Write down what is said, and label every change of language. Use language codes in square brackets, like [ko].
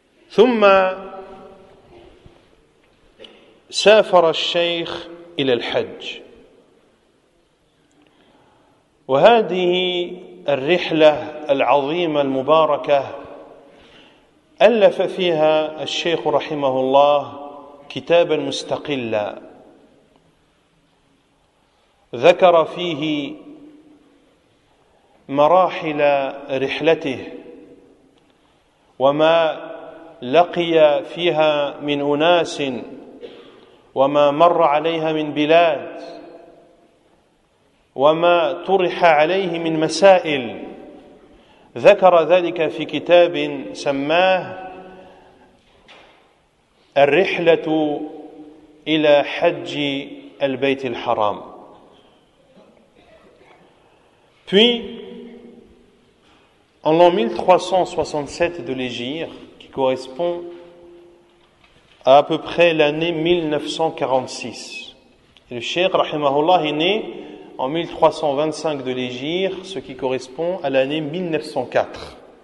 [ar] Thumma safara al-Shaykh ila al-Hajj. وهذه الرحلة العظيمة المباركة ألف فيها الشيخ رحمه الله كتابا مستقلا ذكر فيه مراحل رحلته وما لقي فيها من أناس وما مر عليها من بلاد وما طرح عليه من مسائل ذكر ذلك في كتاب سماه الرحلة إلى حج البيت الحرام. [fr] Puis, en l'an 1367 de l'Hégire, qui correspond à peu près l'année 1946, le Cheikh, rahimahullah, est né en 1325 de l'Hégire, ce qui correspond à l'année 1904.